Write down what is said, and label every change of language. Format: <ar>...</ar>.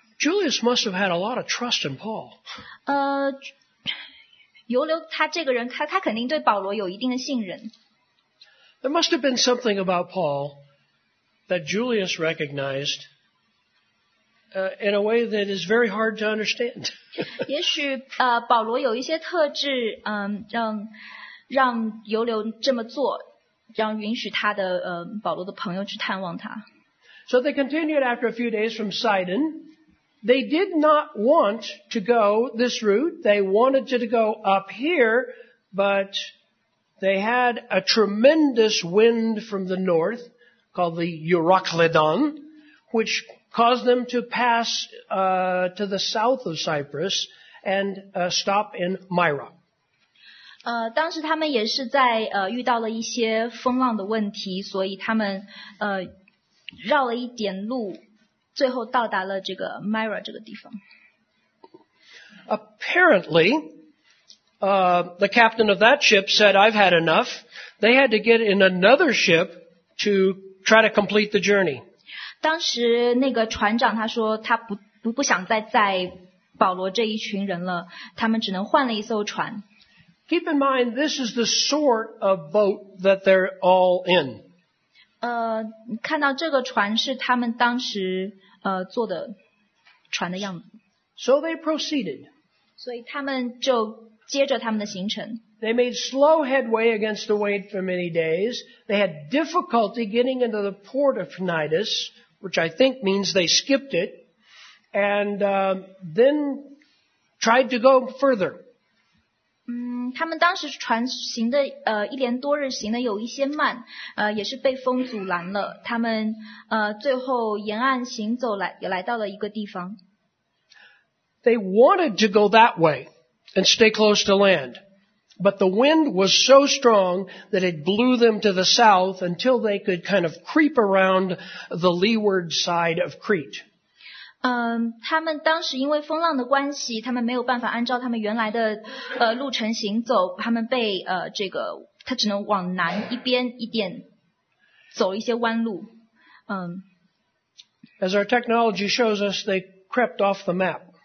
<en>Julius must have had a lot of trust in Paul.</en> <zh>尤留他这个人 他肯定对保罗有一定的信任。</zh> <en>There must have been something about Paul that Julius recognized, in a way that is very hard to understand.</en> <zh>也许保罗有一些特质让尤留这么做，让允许他的保罗的朋友去探望他。</zh> <en>So they continued after a few days from Sidon. They did not want to go this route. They wanted to go up here, but they had a tremendous wind from the north called the Euroclydon, which caused them to pass to the south of Cyprus and stop in Myra.</en> <zh>当时他们也是在遇到了一些风浪的问题，所以他们绕了一点路。最后到达了这个 Myra 这个地方。</zh> <en>Apparently, the captain of that ship said, "I've had enough." they had to get in another ship to try to complete the journey.</en> <zh>当时那个船长他说他不想再保罗这一群人了，他们只能换了一艘船。</zh> <en>Keep in mind, this is the sort of boat that they're all in.</en> <zh>看到这个船是他们当时坐的船的样子。</zh> <en>So they proceeded.</en> <zh>所以他们就接着他们的行程。</zh> <en>They made slow headway against the wind for many days. They had difficulty getting into the port of Cnidus, which I think means they skipped it, and then tried to go further.</en> <zh>他们当时船行的一连多日行的有一些慢，也是被风阻拦了。他们最后沿岸行走来到了一个地方。</zh> <en>They wanted to go that way and stay close to land, but the wind was so strong that it blew them to the south until they could kind of creep around the leeward side of Crete.</en> <zh>他们当时因为风浪的关系，他们没有办法按照他们原来的路程行走，他们被这个他只能往南一边一点走一些弯路。</zh> <en>As our technology shows us, they crept off the map.</en>